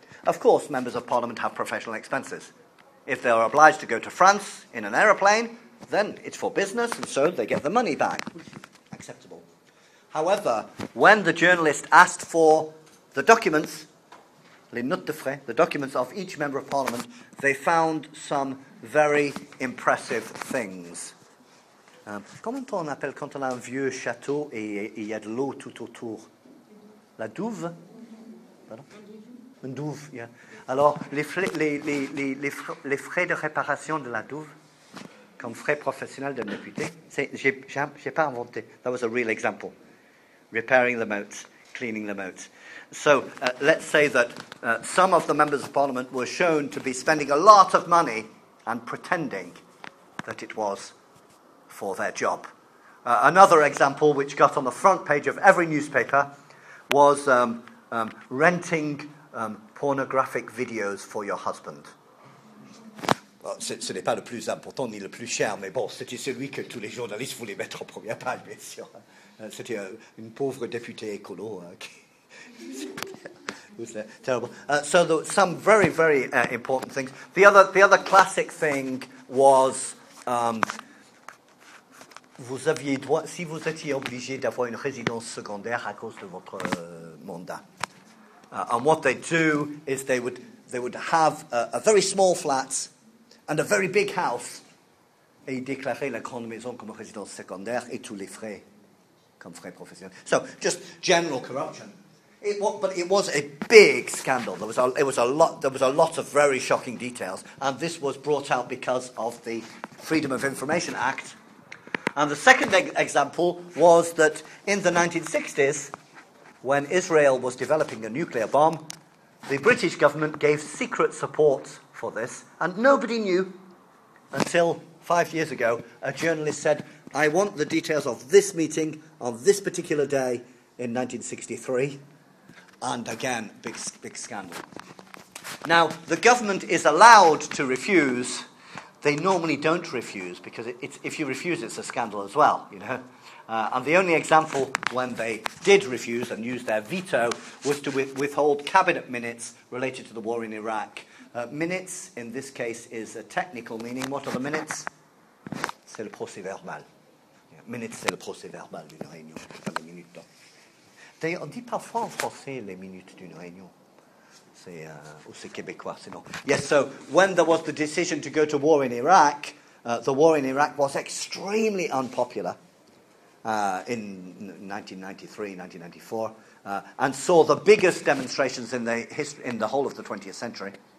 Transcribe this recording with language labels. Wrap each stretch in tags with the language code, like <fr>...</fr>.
<en>Of course, members of parliament have professional expenses. If they are obliged to go to France in an aeroplane, then it's for business, and so they get the money back, which is acceptable. However, when the journalist asked for the documents,</en> <fr>les notes de frais,</fr> <en>the documents of each member of parliament, they found some very impressive things.</en> <fr>Comment on appelle quand on a un vieux château et il y a de l'eau tout autour? La douve? Pardon? Une douve, yeah. Alors, les frais de réparation de la douve, comme frais professionnel d'un député, j'ai pas inventé.</fr> <en>That was a real example. Repairing the moat, cleaning the moat. So, let's say that some of the members of parliament were shown to be spending a lot of money and pretending that it was for their job. Another example which got on the front page of every newspaper was renting pornographic videos for your husband.</en> <fr>Well, ce n'est pas le plus important ni le plus cher, mais bon, c'était celui que tous les journalistes voulaient mettre en première page, bien sûr. C'était une pauvre députée écolo. Terrible.</fr> <en>So there were some very, very important things. The other classic thing was,</en> <fr>vous aviez droit, si vous étiez obligé d'avoir une résidence secondaire à cause de votre mandat.</fr> <en>And what they do is they would have a very small flat and a very big house.</en> <fr>Et ils déclaraient la grande maison comme résidence secondaire et tous les frais comme frais professionnels.</fr> <en>So just general corruption. It was a big scandal. There was a lot of very shocking details, and this was brought out because of the Freedom of Information Act. And the second example was that in the 1960s, when Israel was developing a nuclear bomb, the British government gave secret support for this, and nobody knew until 5 years ago. A journalist said, "I want the details of this meeting on this particular day in 1963. And again, big scandal. Now, the government is allowed to refuse. They normally don't refuse, because if you refuse, it's a scandal as well, you know. And the only example when they did refuse and use their veto was to withhold cabinet minutes related to the war in Iraq. Minutes, in this case, is a technical meaning. What are the minutes?</en> <fr>C'est le procès verbal. Minutes, c'est le procès verbal d'une réunion, pas les minutes d'or. D'ailleurs, on dit parfois en français les minutes d'une réunion. C'est, ou c'est québécois, sinon.</fr> <en>Yes, so when there was the decision to go to war in Iraq, the war in Iraq was extremely unpopular in 1993, 1994, and saw the biggest demonstrations in the whole of the 20th century.</en>